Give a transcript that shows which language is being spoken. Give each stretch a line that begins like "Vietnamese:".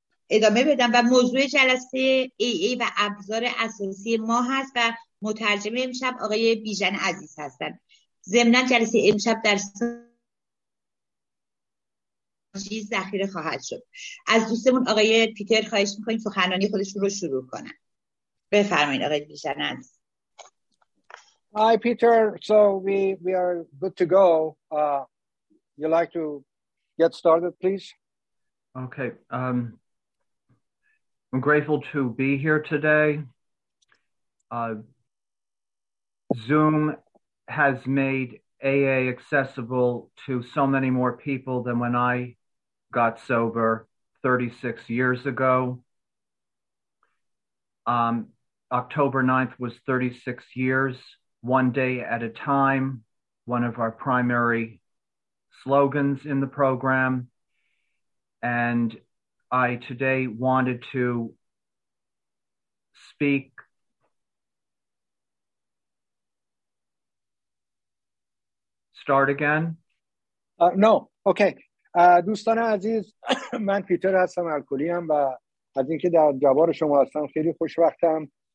Persian: ادامه بدم و موضوع جلسه ای و ابزار اساسی ما هست و مترجم امشب آقای بیژن عزیز هستند. ضمن جلسه امشب در چیز ذخیره خواهد شد. از دوستمون آقای پیتر خواهش میکنیم سخنرانی خودشون رو شروع کنن. بفرمایید آقای بیژن عزیز.
English: Hi Peter, so we are good to go. You like to get started please? Okay. I'm grateful to be here today. Zoom has made AA accessible to so many more people than when I got sober 36 years ago. October 9th was 36 years, one day at a time, one of our primary slogans in the program. And I today wanted to speak start again no okay
Persian: دوستان عزیز من پیتر هستم الکلی ام و از اینکه در جوار شما هستم خیلی خوشبختم.